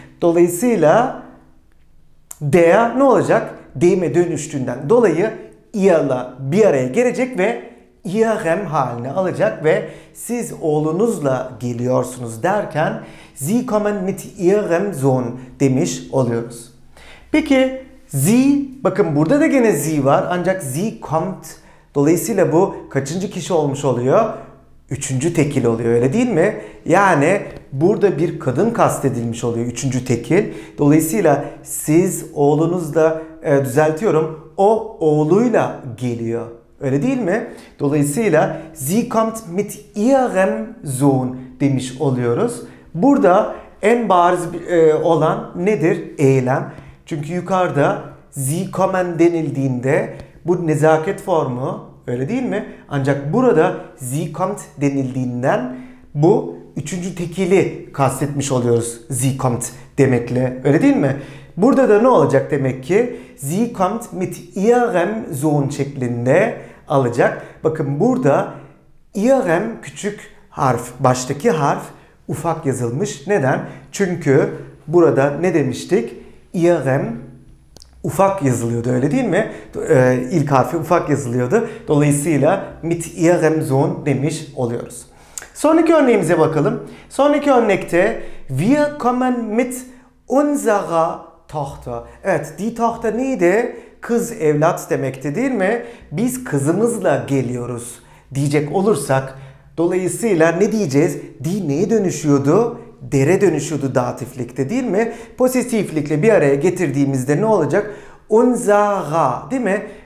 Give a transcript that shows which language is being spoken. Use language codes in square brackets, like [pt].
[tr] Dolayısıyla der ne olacak? Deme dönüştüğünden dolayı ihrla bir araya gelecek ve ihrem halini alacak ve siz oğlunuzla geliyorsunuz derken [de] Sie kommen mit ihrem Sohn [tr] demiş oluyoruz. Peki Sie, bakın burada da gene Sie var ancak Sie kommt. Dolayısıyla bu kaçıncı kişi olmuş oluyor? Üçüncü tekil oluyor, öyle değil mi? Yani burada bir kadın kastedilmiş oluyor, üçüncü tekil. Dolayısıyla siz oğlunuzla, düzeltiyorum, o oğluyla geliyor. Öyle değil mi? Dolayısıyla [de] Sie kommt mit ihrem Sohn [tr] demiş oluyoruz. Burada en bariz olan nedir? Eylem. Çünkü yukarıda Sie kommen denildiğinde bu nezaket formu, öyle değil mi? Ancak burada [de] Sie kommt [tr] denildiğinden bu üçüncü tekili kastetmiş oluyoruz. [de] Sie kommt [tr] demekle, öyle değil mi? Burada da ne olacak demek ki? [de] Sie kommt mit ihrem Sohn [tr] şeklinde alacak. Bakın burada ihrem küçük harf, baştaki harf ufak yazılmış. Neden? Çünkü burada ne demiştik? Ihrem ufak yazılıyordu, öyle değil mi? İlk harfi ufak yazılıyordu. Dolayısıyla [de] mit ihrem Sohn [tr] demiş oluyoruz. Sonraki örneğimize bakalım. Sonraki örnekte [de] wir kommen mit unserer Tochter. [tr] Evet, die Tochter neydi? Kız, evlat demekti değil mi? Biz kızımızla geliyoruz diyecek olursak dolayısıyla ne diyeceğiz? Die neye dönüşüyordu? Dere dönüşüyordu datiflikte değil mi? Pozitiflikle bir araya getirdiğimizde ne olacak? Unsere, değil mi?